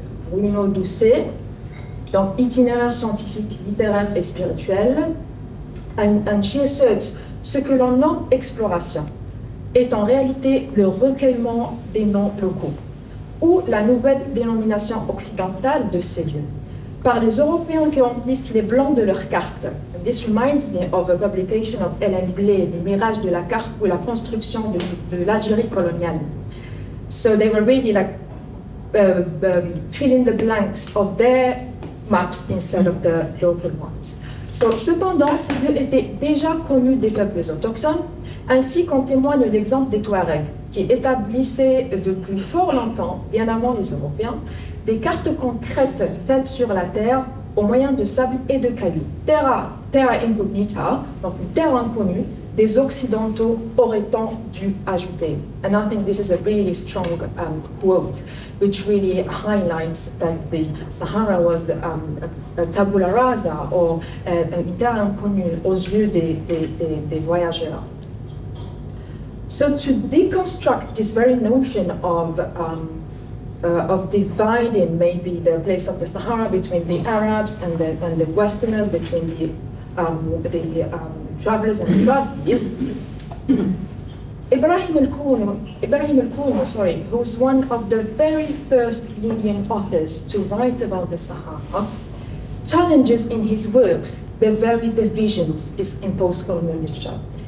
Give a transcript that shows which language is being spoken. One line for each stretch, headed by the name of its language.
French: Bruno Doucet, dans Itinéraire scientifique, littéraire et spirituel,
English: and she asserts,
French: ce que l'on nomme exploration est en réalité le recueillement des noms locaux, ou la nouvelle dénomination occidentale de ces lieux, par les Européens qui remplissent les blancs de leurs cartes.
English: This reminds me of a publication of Ellen Blay, Le Mirage de la Carte ou la Construction de l'Algérie coloniale. So they were really like filling the blanks of their maps instead of the local ones.
French: So, cependant, ces lieux étaient déjà connus des peuples autochtones, ainsi qu'en témoigne l'exemple des Touaregs, qui établissaient depuis fort longtemps, bien avant les Européens, des cartes concrètes faites sur la terre au moyen de sable et de cailloux. Terra incognita, donc une terre inconnue, des Occidentaux auraient-ils dû ajouter.
English: And I think this is a really strong quote, which really highlights that the Sahara was a tabula rasa, or
French: une terre inconnue aux yeux des voyageurs.
English: So to deconstruct this very notion of dividing maybe the place of the Sahara between the Arabs and the Westerners, between the travelers and the travelers, Ibrahim al-Kuno, who's one of the very first Libyan authors to write about the Sahara, challenges in his works the very divisions in post-colonial literature.